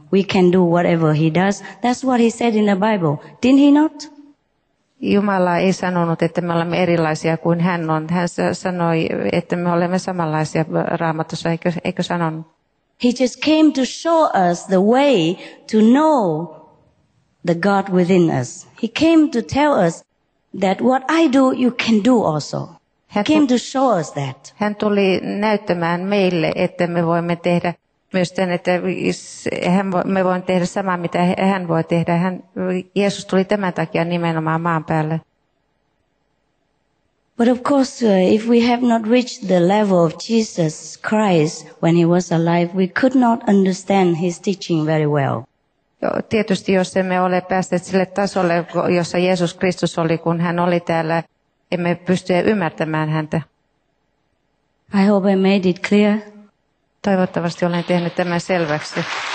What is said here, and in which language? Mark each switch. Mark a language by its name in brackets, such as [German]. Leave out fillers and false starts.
[English] We can do whatever he does. That's what he said in the Bible. Didn't he not? [Finnish] Jumala ei sanonut, että me olemme erilaisia kuin hän on. Hän sanoi, että me olemme samanlaisia Raamatussa, eikö sanonut? [English] He just came to show us the way to know the God within us. He came to tell us that what I do, you can do also. He came to show us that. [Finnish] Hän tuli näyttämään meille, että me voimme tehdä myös tämän, että me voimme tehdä samaa, mitä hän voi tehdä. Jeesus tuli tämän takia nimenomaan maan päälle. [English] But of course, if we have not reached the level of Jesus Christ when he was alive, we could not understand his teaching very well. [Finnish] Tietysti, jos emme ole päässeet sille tasolle, jossa Jeesus Kristus oli, kun hän oli täällä, emme pysty ymmärtämään häntä. [English] I hope I made it clear. [Finnish] Toivottavasti olen tehnyt tämän selväksi.